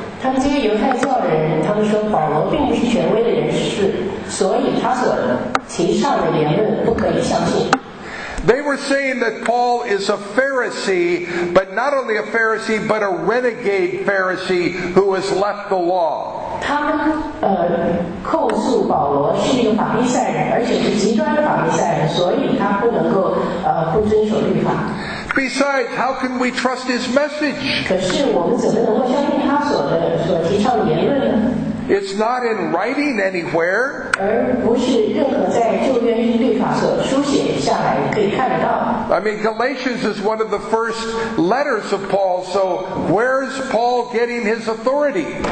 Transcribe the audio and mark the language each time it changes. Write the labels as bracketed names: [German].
[English] They were saying that Paul is a Pharisee, but not only a Pharisee, but a renegade Pharisee who has left the law. [Chinese] 他们控诉保罗是一个法利赛人，而且是极端的法利赛人，所以他不能够不遵守律法。 [English] Besides, how can we trust his message? [Chinese] 可是我们怎么能够相信他所提倡的言论呢？ [English] It's not in writing anywhere. [Chinese] 而不是任何在旧约律法所书写下来可以看到。 [English] I mean, Galatians is one of the first letters of Paul, so where is Paul getting his authority?